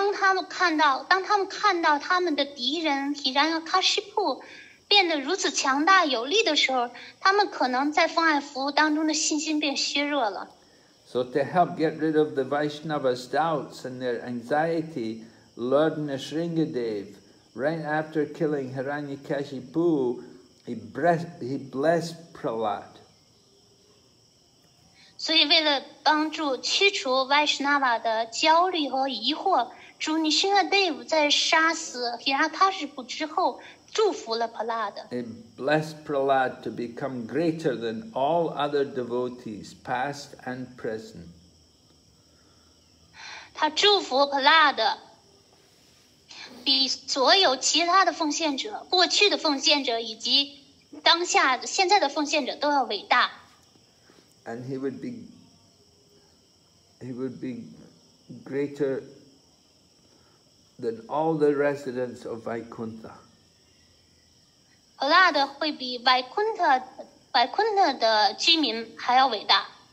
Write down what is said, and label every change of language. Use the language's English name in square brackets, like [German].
[Chinese] 当他们看到他们的敌人毗沙迦喀什布变得如此强大有力的时候，他们可能在奉爱服务当中的信心便削弱了。 [English] So to help get rid of the Vaishnavas' doubts and their anxiety, Lord Nrisingadev, right after killing Aranyakashipu. He blessed Prahlad. [Chinese] 所以为了帮助驱除 Vaishnava 的焦虑和疑惑，主尼辛和 Dave 在杀死毗沙迦喀什布之后祝福了 Prahlad. [English] He blessed Prahlad to become greater than all other devotees, past and present. [Chinese] 他祝福 Prahlad. 比所有其他的奉献者，过去的奉献者以及当下现在的奉献者都要伟大。 [English] And he would be greater than all the residents of Vaikuntha. [Chinese] Prahlad 会比 Vaikuntha 的居民还要伟大。